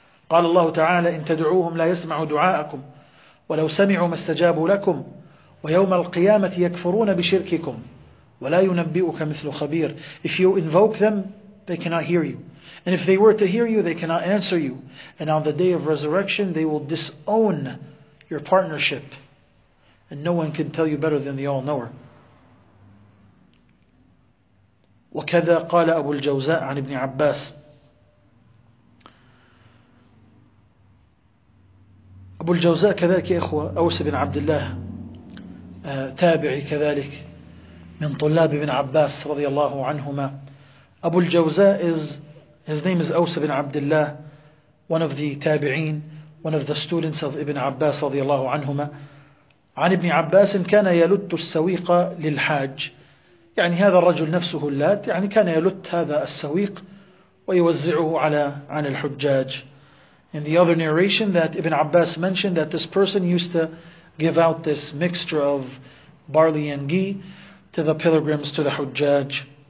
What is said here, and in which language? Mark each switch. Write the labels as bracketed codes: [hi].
[ar] قال الله تعالى إن تدعوهم لا يسمعوا دعاءكم ولو سمعوا ما استجابوا لكم ويوم القيامة يكفرون بشرككم ولا ينبئك مثل خبير. [en] If you invoke them, they cannot hear you. And if they were to hear you, they cannot answer you. And on the day of resurrection, they will disown your partnership. And no one can tell you better than the all-knower. [ar] وكذا قال أبو الجوزاء عن ابن عباس. أبو الجوزاء كذلك يا إخوة، أوس بن عبد الله تابعي كذلك من طلاب ابن عباس رضي الله عنهما. [en] أبو الجوزاء his name is أوس بن عبد الله، one of the تابعين، one of the students of ابن عباس [ar] رضي الله عنهما. عن ابن عباس كان يلت السويق للحاج، يعني هذا الرجل نفسه اللات، يعني كان يلت هذا السويق ويوزعه عن الحجاج. [en] In the other narration that Ibn Abbas mentioned that this person used to give out this mixture of barley and ghee to the pilgrims, to the hujjaj.